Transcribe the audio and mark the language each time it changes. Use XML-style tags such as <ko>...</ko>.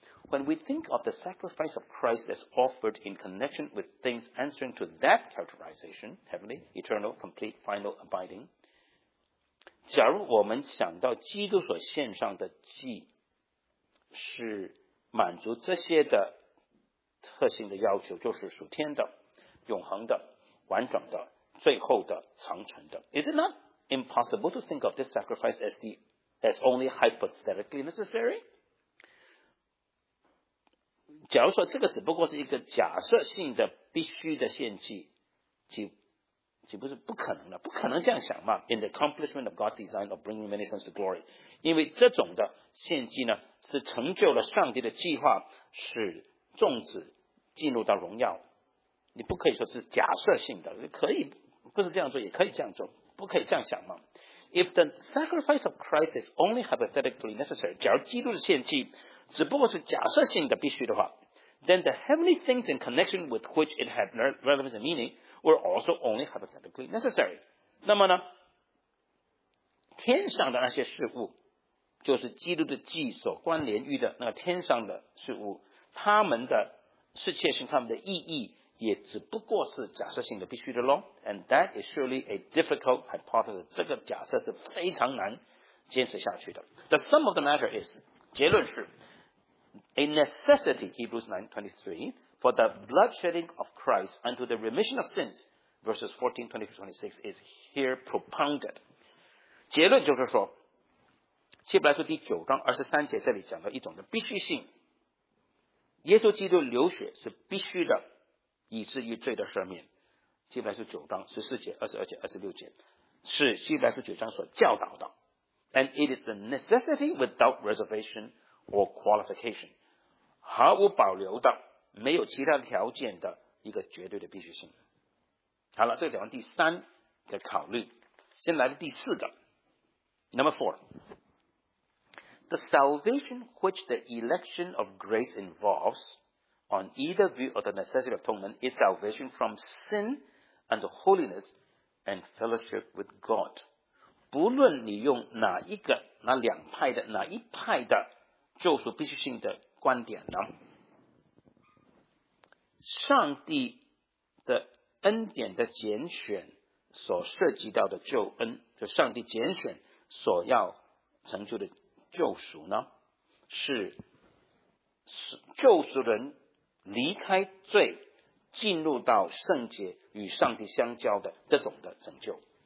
<en>When we think of the sacrifice of Christ as offered in connection with things answering to that characterization, heavenly, eternal, complete, final, abiding,</en> <zh>假如我们想到基督所献上的祭是满足这些的特性的要求，就是属天的、永恒的、完整的、最后的、长存的。</zh> <en>Is it not impossible to think of this sacrifice as only hypothetically necessary?</en> <zh>假如说这个只不过是一个假设性的必须的献祭，岂不是不可能的？不可能这样想嘛 ？</zh> <en>In the accomplishment of God's design of bringing many sons to glory,</en> <zh>因为这种的献祭呢，是成就了上帝的计划，使众子进入到荣耀。你不可以说是假设性的，可以不是这样做，也可以这样做，不可以这样想嘛 ？</zh> <en>If the sacrifice of Christ is only hypothetically necessary,</en> <zh>假如基督的献祭只不过是假设性的必须的话 ，</zh> <en>then the heavenly things in connection with which it had relevance and meaning. were also only hypothetically necessary.</en> <zh>那么呢，天上的那些事物，就是基督的祭所关联于的那个天上的事物，他们的世界性，他们的意义也只不过是假设性的必须的咯。</zh> <en>And that is surely a difficult hypothesis.</en> <zh>这个假设是非常难坚持下去的。</zh> <en>The sum of the matter is,</en> <zh>结论是</zh> <en>a necessity, Hebrews 9:23,For the bloodshedding of Christ unto the remission of sins verses 14, 20, 26 is here propounded.</en> <zh>结论就是说，希伯来书第九章二十三节这里讲到一种的必须性。耶稣基督流血是必须的，以至于罪的赦免。希伯来书九章十四节、二十二节、二十六节是希伯来书九章所教导的。</zh> <en>And it is the necessity without reservation or qualification，</en> <zh>毫无保留的、没有其他条件的一个绝对的必须性。好了，这个讲完第三的考虑，先来第四个 ，</zh> <en>Number four。 The salvation which the election of grace involves on either view of the necessity of atonement is salvation from sin and holiness and fellowship with God.</en> <zh>不论你用哪一个、哪两派的、哪一派的救赎必须性的观点呢，上帝的恩典的拣选所涉及到的救恩，就上帝拣选所要成就的救赎呢，是救赎人离开罪进入到圣洁与上帝相交的这种的拯救。</zh>